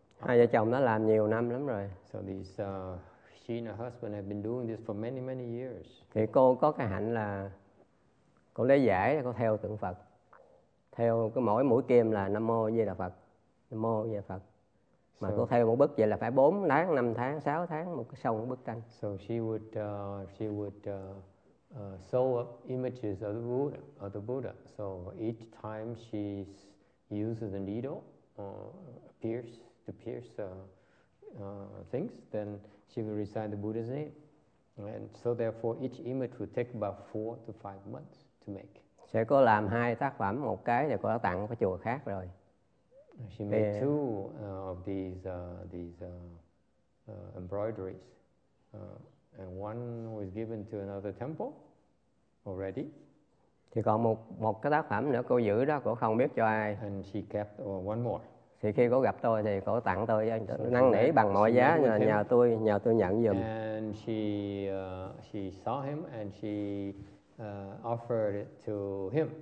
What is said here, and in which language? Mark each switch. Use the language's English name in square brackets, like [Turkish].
[Vietnamese] Hai vợ chồng nó làm nhiều năm lắm rồi. [English] So this she and her husband have been doing this for many many years. [Vietnamese] Thì cô có cái hạnh là cô lấy giải, cô theo tượng Phật, theo cái mỗi mũi kim là Nam Mô A Di Đà Phật, Nam Mô A Di Đà Phật. Mà cô theo một bức vậy là phải 4 tháng, 5 tháng, 6 tháng một cái sâu một bức tranh. [English] So she would sew up images of the Buddha. So each time she uses the needle to pierce things, then she will recite the Buddha's name. And so therefore each image would take about 4 to 5 months to make. [Vietnamese] Sẽ có làm hai tác phẩm, một cái là cô đã tặng cái chùa khác rồi. [English] She made two of these embroideries, and one was given to another temple already. [Vietnamese] Thì còn một cái tác phẩm nữa cô giữ đó, cô không biết cho ai. [English] And she kept one more. [Vietnamese] Thì khi cô gặp tôi thì cô tặng tôi, năn nỉ bằng mọi giá là nhờ tôi nhận giùm. [English] And she saw him and she offered it to him.